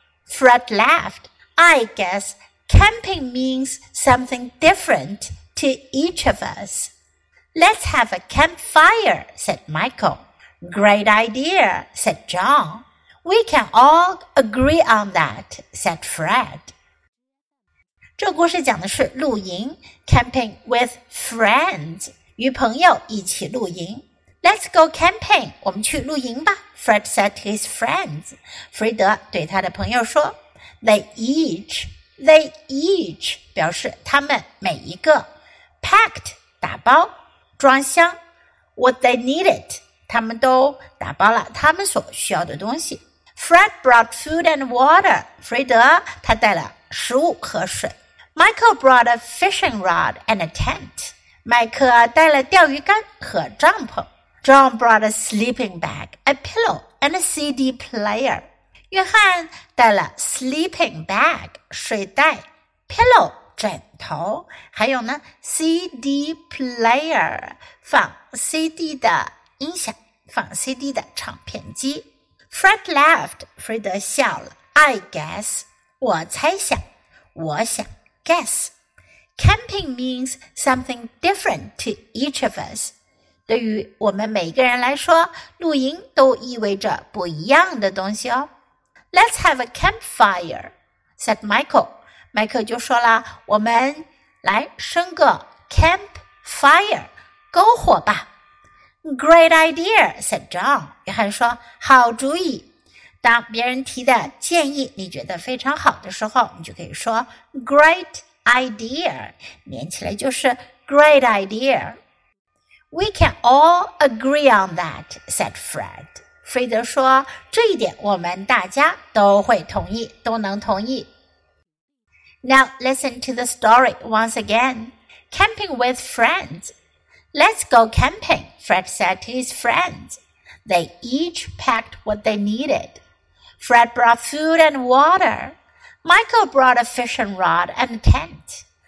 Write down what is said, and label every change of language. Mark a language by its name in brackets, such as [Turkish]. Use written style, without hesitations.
[English] Fred laughed. I guess camping means something different to each of us. Let's have a campfire, said Michael. Great idea, said John. We can all agree on that, said Fred. [Chinese] 这故事讲的是露营 , [English] camping with friends, [Chinese] 与朋友一起露营。 [English] Let's go camping, [Chinese] 我们去露营吧 [English] ,Fred said to his friends. [Chinese] 弗瑞德对他的朋友说。 [English] They each, [Chinese] 表示他们每一个 [English] packed, [Chinese] 打包装箱 [English] what they needed, [Chinese] 他们都打包了他们所需要的东西。 [English] Fred brought food and water, [Chinese] 弗瑞德他带了食物和水。 [English] Michael brought a fishing rod and a tent, [Chinese] 麦克带了钓鱼竿和帐篷。 [English] John brought a sleeping bag, a pillow, and a CD player. [Chinese] 约翰带了 [English] sleeping bag, [Chinese] 睡袋 [English] pillow, [Chinese] 枕头还有呢 [English] CD player, [Chinese] 放 CD 的音响放 CD 的唱片机。 [English] Fred laughed, [Chinese] 弗瑞德笑了 [English] I guess, [Chinese] 我猜想我想 [English] guess. Camping means something different to each of us. [Chinese] 对于我们每个人来说露营都意味着不一样的东西哦。 [English] Let's have a campfire, said Michael. [Chinese] Michael 就说了，我们来生个 campfire, 篝火吧。 [English] Great idea, said John. [Chinese] 约翰说，好主意。当别人提的建议你觉得非常好的时候，你就可以说 [English] great idea, [Chinese] 连起来就是 [English] great idea. We can all agree on that, said Fred. [Chinese] 弗瑞德说这一点我们大家都会同意都能同意。 [English] Now listen to the story once again. Camping with friends. Let's go camping, Fred said to his friends. They each packed what they needed. Fred brought food and water. Michael brought a fishing rod and a tent.